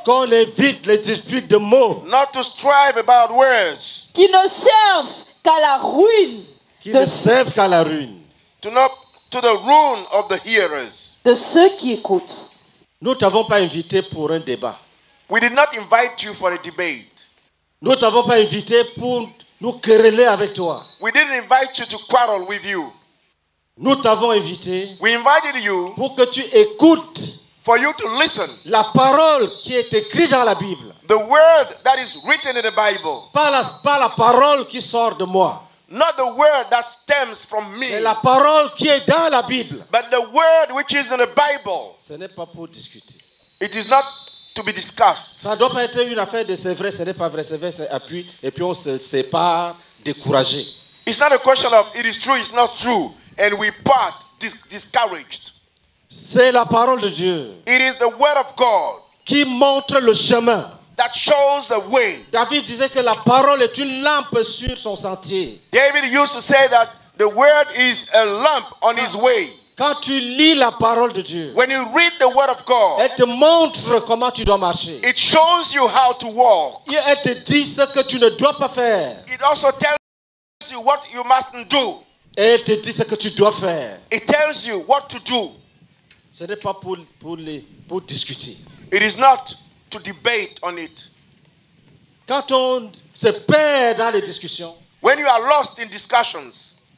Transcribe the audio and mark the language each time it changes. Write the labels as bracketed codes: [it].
[fr] Qu'on évite les disputes de mots. [en] Not to strive about words. [fr] Qui ne servent qu'à la ruine. Qui ne servent qu'à la ruine. [en] To the ruin of the hearers. [fr] De ceux qui écoutent. Nous ne t'avons pas invité pour un débat. [en] We did not invite you for a debate. [fr] Nous ne t'avons pas invité pour nous quereller avec toi. [en] We didn't invite you to quarrel with you. [fr] Nous t'avons invité. [en] We invited you [fr] pour que tu écoutes. [en] For you to listen. [fr] La parole qui est écrite dans la Bible. [en] The word that is written in the Bible. [fr] Pas la parole qui sort de moi. [en] Not the word that stems from me. [fr] Mais la parole qui est dans la Bible. [en] But the word which is in the Bible. [fr] Ce n'est pas pour discuter. [en] It is not to be discussed. [fr] Ça doit pas être une affaire de c'est vrai, ce n'est pas vrai, c'est vrai, c'est appui, et puis on se sépare, découragé. [en] It's not a question of it is true, it's not true, and we part discouraged. [fr] C'est la parole de Dieu. [en] It is the word of God. [fr] Qui montre le chemin. [en] That shows the way. [fr] David disait que la parole est une lampe sur son sentier. [en] David used to say that the word is a lamp on his way. [fr] Quand tu lis la parole de Dieu, [en] when you read the word of God, [fr] elle te montre comment tu dois marcher. [en] It shows you how to walk. [fr] Et elle te dit ce que tu ne dois pas faire. [en] It also tells you what you mustn't do. [fr] Et elle te dit ce que tu dois faire. [en] It tells you what to do. [fr] Ce n'est pas pour discuter. [en] It is not to debate on it. [fr] Quand on se perd dans les discussions, [en] when you are lost in discussions,